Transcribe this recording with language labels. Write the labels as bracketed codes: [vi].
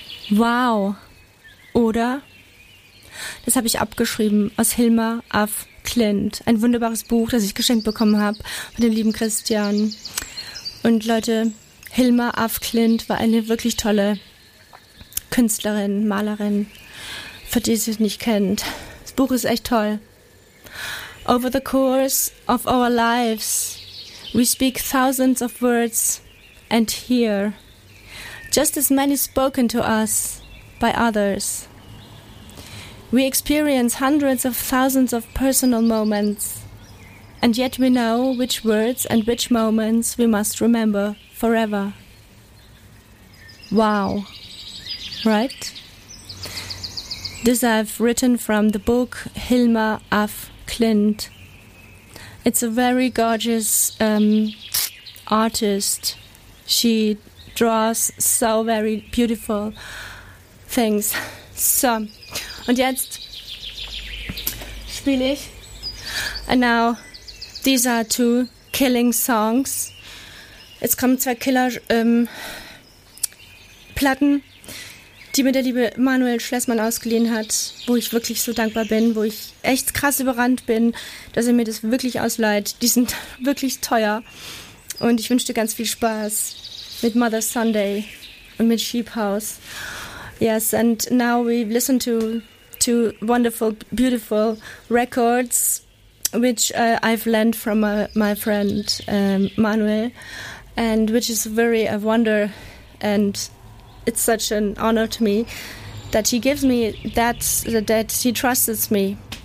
[de] Wow, oder? Das habe ich abgeschrieben aus Hilma af Klint. Ein wunderbares Buch, das ich geschenkt bekommen habe von dem lieben Christian. Und Leute, Hilma af Klint war eine wirklich tolle Künstlerin, Malerin, für die sie es nicht kennt. Das Buch ist echt toll. [en] Over the course of our lives, we speak thousands of words and hear just as many spoken to us by others. We experience hundreds of thousands of personal moments, and yet we know which words and which moments we must remember forever. Wow, right? This I've written from the book Hilma af Klint. It's a very gorgeous artist. She draws so very beautiful things. [de] So, und jetzt spiele ich. [en] And now, these are two killing songs. [de] Jetzt kommen zwei Killer-Platten, die mir der liebe Manuel Schlesmann ausgeliehen hat, wo ich wirklich so dankbar bin, wo ich echt krass überrannt bin, dass er mir das wirklich ausleiht. Die sind wirklich teuer. Und ich wünsche dir ganz viel Spaß mit Mother Sunday und mit Sheep House. [en] Yes, and now we listen to two wonderful, beautiful records, which I've learned from my friend Manuel, and which is very a wonder, and it's such an honor to me that he gives me that he trusts me.